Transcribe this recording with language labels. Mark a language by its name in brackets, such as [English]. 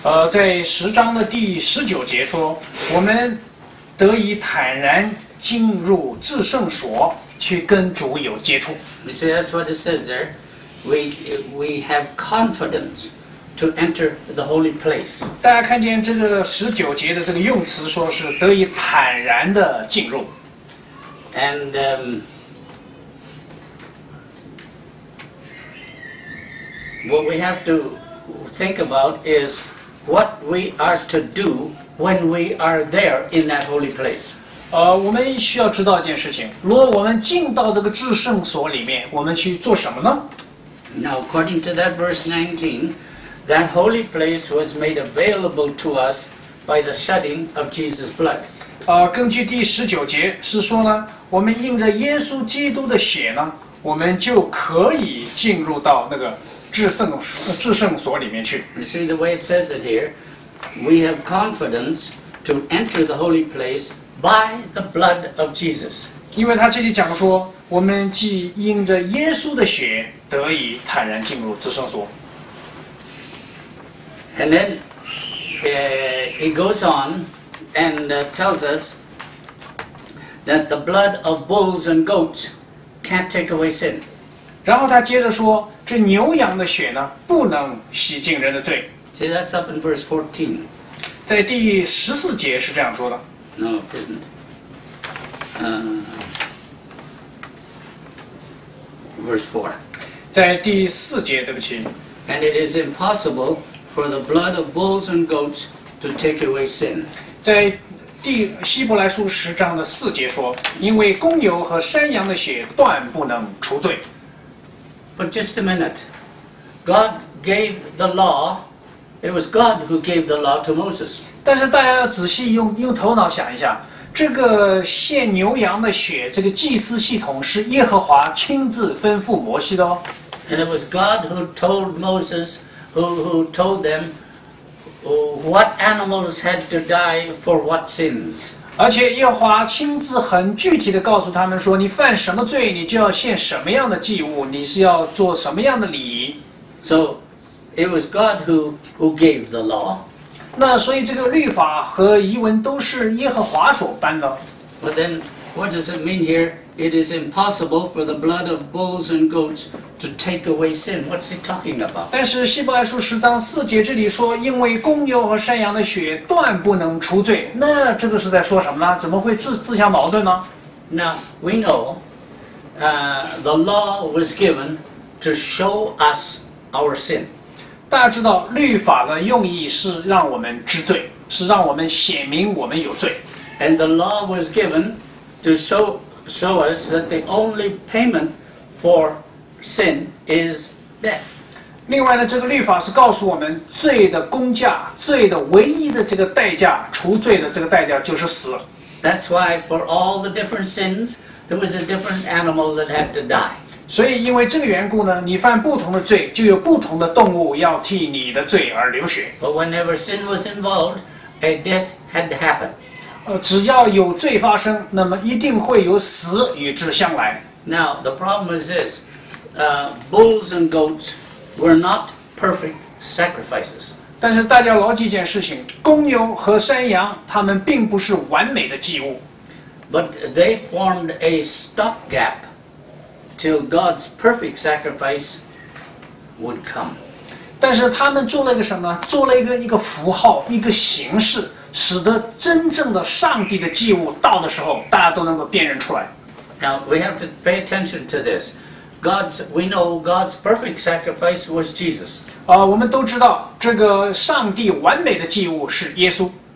[Chinese] 在十章的第十九节说，我们得以坦然进入至圣所，去跟主有接触。 [English] You see, that's what it says there. We have confidence to enter the holy place. [Chinese] 大家看见这个十九节的这个用词，说是得以坦然的进入。 [English] And what we have to think about is what we are to do when we are there in that holy place. [Chinese] 我们需要知道一件事情，如果我们进到这个至圣所里面，我们去做什么呢？ [English] Now, according to that verse 19, that holy place was made available to us by the shedding of Jesus' blood. [Chinese] 根据第十九节是说呢，我们印着耶稣基督的血呢，我们就可以进入到那个至圣所里面去。 [English] You see the way it says it here, we have confidence to enter the holy place by the blood of Jesus. [Chinese] 因为他这里讲说，我们既因着耶稣的血得以坦然进入至圣所。 [English] And then he goes on and tells us that the blood of bulls and goats can't take away sin. [Chinese] 然后他接着说，这牛羊的血呢，不能洗净人的罪。 [English] See, that's up in verse 14. [Chinese] 在第十四节是这样说的。 [English] No, it isn't. Verse 4. [Chinese] 在第四节，对不起。 [English] And it is impossible for the blood of bulls and goats to take away sin. [Chinese] 在第希伯来书十章的四节说，因为公牛和山羊的血断不能除罪。 [English] But just a minute. God gave the law. It was God who gave the law to Moses. [Chinese] 但是大家要仔细用头脑想一下，这个献牛羊的血，这个祭司系统是耶和华亲自吩咐摩西的哦。 [English] And it was God who told Moses, who told them what animals had to die for what sins. [Chinese] 而且耶和华亲自很具体地告诉他们说，你犯什么罪，你就要献什么样的祭物，你是要做什么样的礼仪。 [English] So, it was God who gave the law. [Chinese] 那所以这个律法和仪文都是耶和华所颁的。 [English] But then, what does it mean here? It is impossible for the blood of bulls and goats to take away sin. What's he talking about? [Chinese] 但是希伯来书十章四节这里说，因为公牛和山羊的血断不能除罪。那这个是在说什么呢？怎么会自相矛盾呢？ [English] Now, we know, the law was given to show us our sin. [Chinese] 大家知道律法的用意是让我们知罪，是让我们显明我们有罪。 [English] And the law was given to show us that the only payment for sin is death. [Chinese] 另外呢，这个律法是告诉我们罪的工价，罪的唯一的这个代价，除罪的这个代价就是死。 [English] That's why for all the different sins, there was a different animal that had to die. [Chinese] 所以因为这个缘故呢，你犯不同的罪，就有不同的动物要替你的罪而流血。 [English] But whenever sin was involved, a death had to happen. [Chinese] 只要有罪发生，那么一定会有死与之相来。 [English] Now the problem is this: bulls and goats were not perfect sacrifices. [Chinese] 但是大家牢记一件事情，公牛和山羊它们并不是完美的祭物。 [English] But they formed a stopgap till God's perfect sacrifice would come. [Chinese] 但是他们做了一个什么？做了一个符号，一个形式，使得真正的上帝的祭物到的时候，大家都能够辨认出来。 [English] Now we have to pay attention to this. We know God's perfect sacrifice was Jesus. [Chinese] 我们都知道这个上帝完美的祭物是耶稣。